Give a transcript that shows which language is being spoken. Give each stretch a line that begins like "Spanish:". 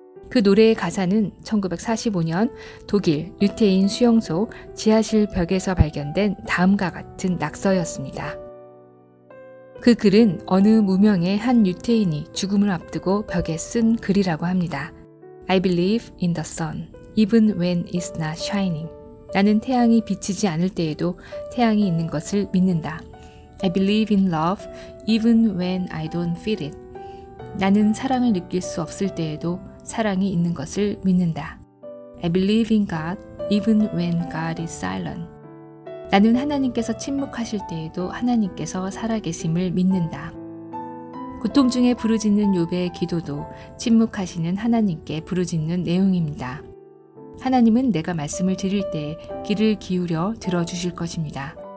Korean: 그 노래의 가사는 1945년 독일 유태인 수용소 지하실 벽에서 발견된 다음과 같은 낙서였습니다. 그 글은 어느 무명의 한 유태인이 죽음을 앞두고 벽에 쓴 글이라고 합니다.
English: I believe in the sun, even when it's not shining.
Korean: 나는 태양이 비치지 않을 때에도 태양이 있는 것을 믿는다.
English: I believe in love, even when I don't feel it.
Korean: 나는 사랑을 느낄 수 없을 때에도 사랑이 있는 것을 믿는다.
English: I believe in God, even when God is silent.
Korean: 나는 하나님께서 침묵하실 때에도 하나님께서 살아계심을 믿는다. 고통 중에 부르짖는 욥의 기도도 침묵하시는 하나님께 부르짖는 내용입니다. 하나님은 내가 말씀을 드릴 때 귀를 기울여 들어주실 것입니다.